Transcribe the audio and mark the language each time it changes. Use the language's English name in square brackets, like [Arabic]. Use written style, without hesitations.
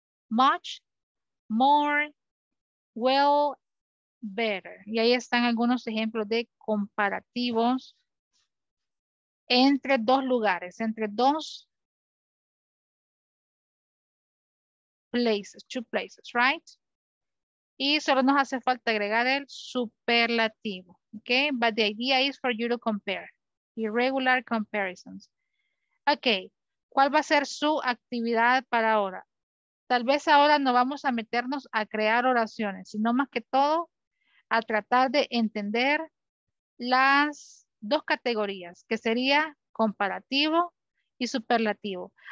[English] Much, more. Well, better. [Spanish] Y ahí están algunos ejemplos de comparativos entre dos lugares, entre dos places, [English] two places, right? [Spanish] Y solo nos hace falta agregar el superlativo, okay? [English] But the idea is for you to compare, irregular comparisons. [Spanish] Okay, ¿cuál va a ser su actividad para ahora? Tal vez ahora no vamos a meternos a crear oraciones, sino más que todo a tratar de entender las dos categorías, que sería comparativo y superlativo.